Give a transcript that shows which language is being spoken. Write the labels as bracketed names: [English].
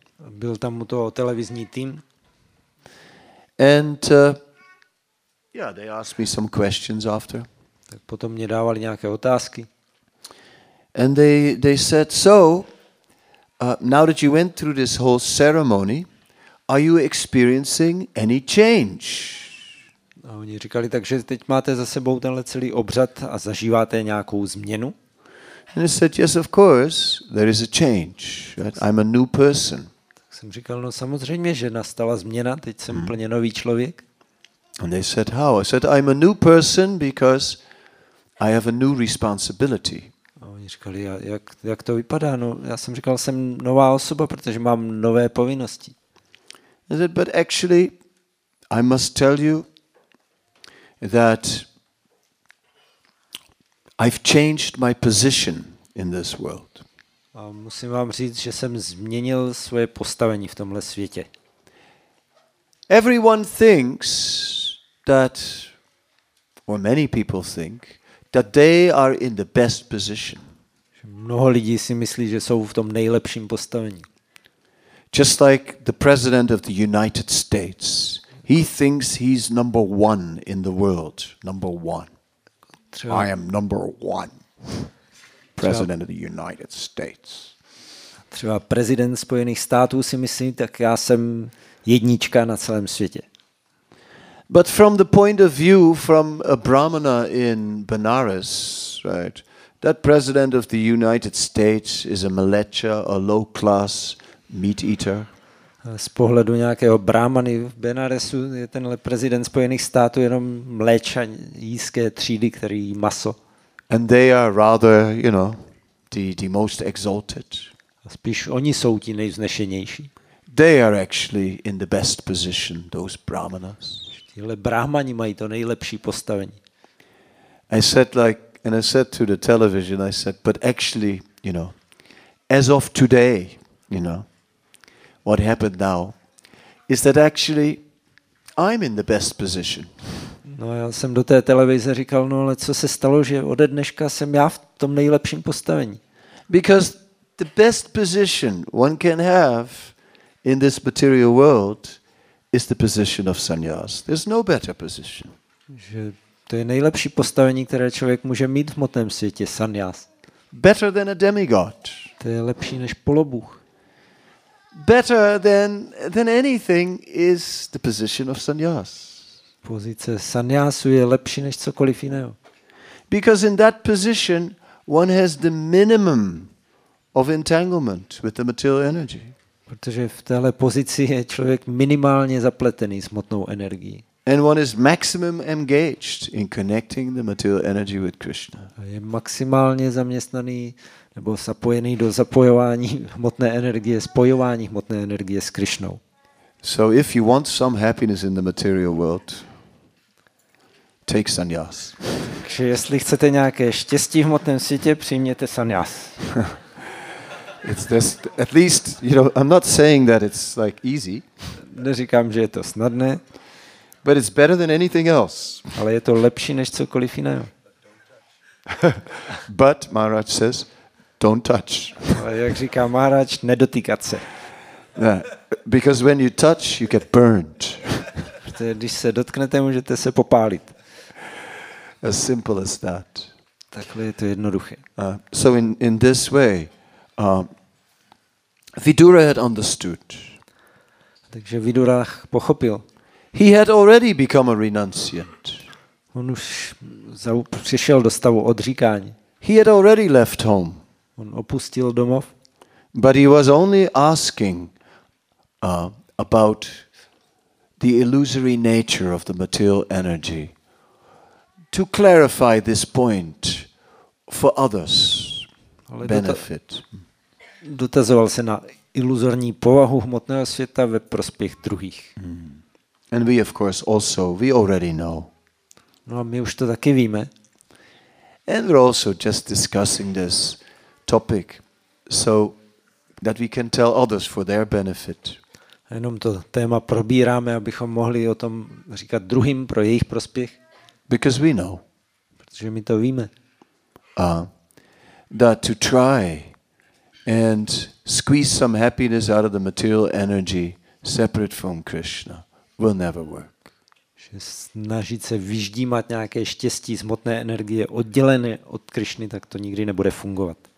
[Czech] Byl tam u toho televizní tým. [English] And they asked me some questions after. [Czech] Tak potom mě dávali nějaké otázky. [English] And they said, so now that you went through this whole ceremony, are you experiencing any change? [Czech] A oni říkali, takže teď máte za sebou tenhle celý obřad a zažíváte nějakou změnu? [English] And I said, yes, of course, there is a change. Right? I'm a new person. [Czech] Tak jsem říkal, no samozřejmě, že nastala změna, teď jsem úplně nový člověk. [English] And they said, how? I said, I'm a new person because I have a new responsibility. [Czech] A oni říkali, jak to vypadá? No, já jsem říkal, jsem nová osoba, protože mám nové povinnosti. [English] I said, but actually, I must tell you that I've changed my position in this world. [Czech] A musím vám říct, že jsem změnil svoje postavení v tomhle světě. [English] Everyone thinks that, or many people think, that they are in the best position. [Czech] Mnoho lidí si myslí, že jsou v tom nejlepším postavení. [English] Just like the president of the United States, he thinks he's number one in the world. Number one. [Czech] Třeba. [English] I am number one. President of the United States. [Czech] Třeba prezident Spojených států si myslí, tak já jsem jednička na celém světě. [English] But from the point of view from a brahmana in Benares, right, that president of the United States is a malecha, a low class meat eater. [Czech] Z pohledu nějakého brahmany v Benaresu je tenhle prezident Spojených států jenom mléča jízké třídy, který jí maso. [English] And they are rather, you know, the most exalted. [Czech] A spíš oni jsou ti nejvznešenější. [English] They are actually in the best position, those brahmanas. [Czech] Tyhle brahmani mají to nejlepší postavení. [English] I said like, and I said to the television, I said, but actually, you know, as of today, you know, what happened now is that actually I'm in the best position. [Czech] No, já jsem do té televize říkal, no ale co se stalo, že ode dneška jsem já v tom nejlepším postavení. [English] Because the best position one can have in this material world is the position of sannyas. There's no better position. [Czech] Že to je nejlepší postavení, které člověk může mít v hmotném světě, sannyas. [English] Better than a demigod. [Czech] To je lepší než polobůh. [English] Better than anything is the position of sannyas. [Czech] Pozice sannyasu je lepší než cokoliv jiného. [English] Because in that position one has the minimum of entanglement with the material energy. [Czech] Protože v téhle pozici je člověk minimálně zapletený s hmotnou energií. [English] And one is maximum engaged in connecting the material energy with Krishna. [Czech] A je maximálně zaměstnaný nebo zapojený do zapojování hmotné energie, spojování hmotné energie s Krišnou. [English] So if you want some happiness in the material world, take sannyas. [Czech] Takže jestli chcete nějaké štěstí v hmotném světě, přijměte sannyas. [English] It's this, at least, you know, I'm not saying that it's like easy. [Czech] Neříkám, že je to snadné. [English] But it's better than anything else. [Czech] Ale je to lepší než cokoliv jiného. [English] But Maharaj says, don't touch. [Czech] Jak říká Maharaj, nedotýkat se. [English] Yeah. Because when you touch, you get burned. [Czech] Když se dotknete, můžete se popálit. [English] As simple as that. [Czech] Takhle je to jednoduché. [English] So in this way, Vidura had understood. [Czech] Takže Vidura pochopil. [English] He had already become a renunciant. [Czech] On už přišel do stavu odříkání. [English] He had already left home. [Czech] On opustil domov. [English] But he was only asking about the illusory nature of the material energy to clarify this point for others' benefit. [Czech] Dotazoval se na iluzorní povahu hmotného světa ve prospěch druhých. [English] And we of course also we already know. [Czech] No a my už to taky víme. [English] And we're also just discussing this topic so that we can tell others for their benefit. [Czech] Jenom to téma probíráme, abychom mohli o tom říkat druhým pro jejich prospěch. [English] Because we know. [Czech] Protože my to víme. [English] That to try and squeeze some happiness out of the material energy separate from Krishna will never work. [Czech] Že snažit se vyždímat nějaké štěstí z hmotné energie oddělené od Krišny, tak to nikdy nebude fungovat.